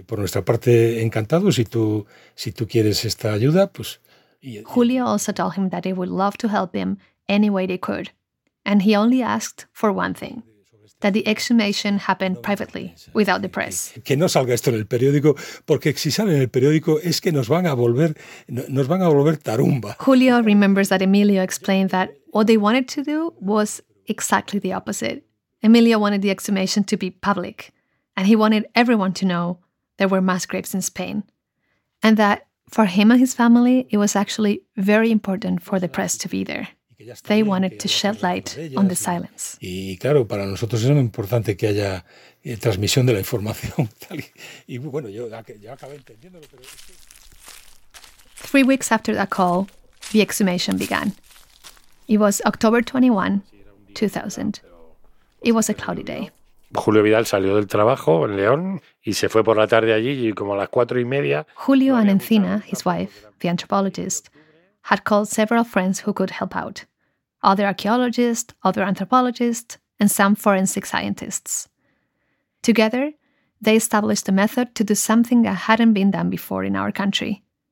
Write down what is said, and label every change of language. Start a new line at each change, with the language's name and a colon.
Spanish: Por nuestra parte, encantado, si tú quieres esta ayuda, pues...
English: Julio also told him that they would love to help him any way they could, and he only asked for one thing, that the exhumation happened privately, without the press.
Spanish: Que no salga esto en el periódico, porque si sale en el periódico es que nos van a volver tarumba.
English: Julio remembers that Emilio explained that what they wanted to do was exactly the opposite. Emilio wanted the exhumation to be public, and he wanted everyone to know there were mass graves in Spain, and that for him and his family, it was actually very important for the press to be there. They wanted to shed light on the silence.
Spanish: Y claro, para nosotros es muy importante que haya transmisión de la información. Y bueno, yo acabé entendiéndolo, pero...
English: 3 weeks after that call, the exhumation began. It was October 21, 2000. It was a cloudy day.
Spanish: Julio Vidal salió del trabajo en León y se fue por la tarde allí y como a las 4:30...
English: Julio and Encina, his wife, the anthropologist, had called several friends who could help out. Other archaeologists, other anthropologists, and some forensic scientists. Together, they established a method to do something that hadn't been done before in our country.